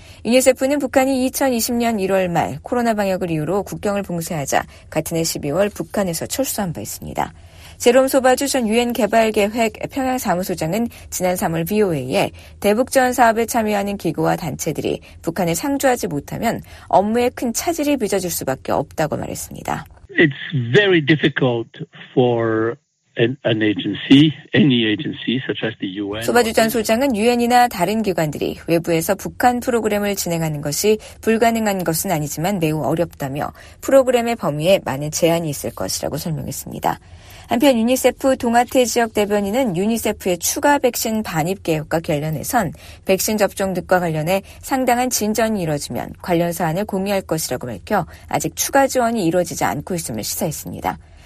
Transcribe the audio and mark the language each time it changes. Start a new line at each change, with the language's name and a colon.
Korean: 유니세프는 북한이 2020년 1월 말 코로나 방역을 이유로 국경을 봉쇄하자 같은 해 12월 북한에서 철수한 바 있습니다. 제롬 소바주 전 유엔 개발계획 평양 사무소장은 지난 3월 BOA에 대북 지원 사업에 참여하는 기구와 단체들이 북한에 상주하지 못하면 업무에 큰 차질이 빚어질 수밖에 없다고 말했습니다.
English: It's very difficult for an agency, any agency such as the UN.
Korean: 소바주 전 소장은 유엔이나 다른 기관들이 외부에서 북한 프로그램을 진행하는 것이 불가능한 것은 아니지만 매우 어렵다며 프로그램의 범위에 많은 제한이 있을 것이라고 설명했습니다. 한편 유니세프 동아태 지역 대변인은 유니세프의 추가 백신 반입 계획과 관련해선 백신 접종 등과 관련해 상당한 진전이 이뤄지면 관련 사안을 공유할 것이라고 밝혀 아직 추가 지원이 이뤄지지 않고 있음을 시사했습니다.